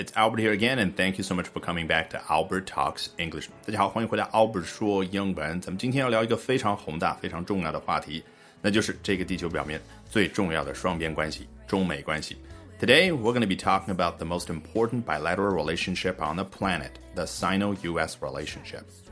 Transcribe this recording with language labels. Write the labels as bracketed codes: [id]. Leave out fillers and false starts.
[en] It's Albert here again, and thank you so much for coming back to Albert Talks English. [zh] 大家好，欢迎回到 Albert 说英文。咱们今天要聊一个非常宏大、非常重要的话题，那就是这个地球表面最重要的双边关系——中美关系。 [en] Today, we're going to be talking about the most important bilateral relationship on the planet, the Sino-US relationship.